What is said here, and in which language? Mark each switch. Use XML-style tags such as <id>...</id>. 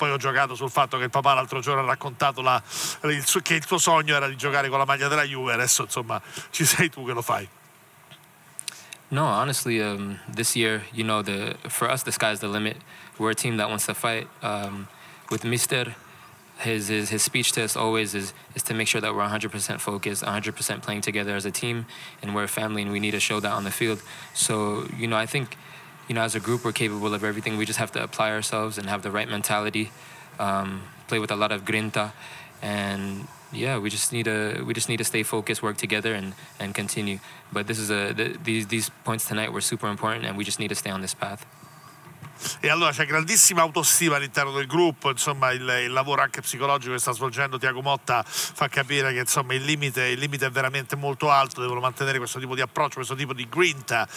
<it>E poi ho giocato sul fatto che il papà l'altro giorno ha raccontato che il tuo sogno era di giocare con la maglia della Juve. Adesso, insomma, ci sei tu che lo fai.</it> <en>No, honestly, this year, you know, for us, the sky's the limit. We're a team that wants to fight with Mister. His speech to us always is to make sure that we're 100% focused, 100% playing together as a team, and we're a family, and we need to show that on the field. So, you know, I think, you know, as a group, we're capable of everything. We just have to apply ourselves and have the right mentality, play with a lot of grinta, and yeah, we just need to stay focused, work together, and continue. But this is these points tonight were super important, and we just need to stay on this path.</en> <it>E allora c'è grandissima autostima all'interno del gruppo, insomma il lavoro anche psicologico che sta svolgendo Thiago Motta fa capire che, insomma, il limite è veramente molto alto. Devono mantenere questo tipo di approccio, questo tipo di grinta.</it>